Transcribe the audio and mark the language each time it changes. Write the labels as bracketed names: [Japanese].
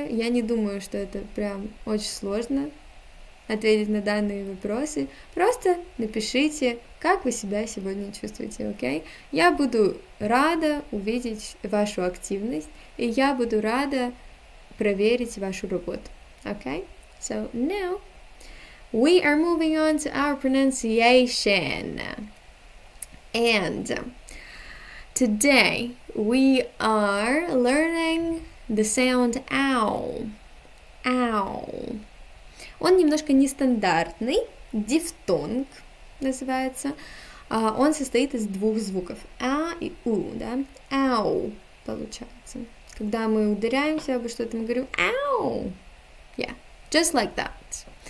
[Russian] Я не думаю, что это прям очень сложно ответить на данные вопросы. Просто напишите, как вы себя сегодня чувствуете, окей? Я буду рада увидеть вашу активность, и я буду рада проверить вашу работу, окей? [English] So, now we are moving on to our pronunciation. And today we are learning the sound ow. Ow. [Russian] Он немножко нестандартный, дифтонг называется. Он состоит из двух звуков, а и у, да? Ау получается. Когда мы ударяемся обо что-то, мы говорим ау. [English] Yeah, just like that.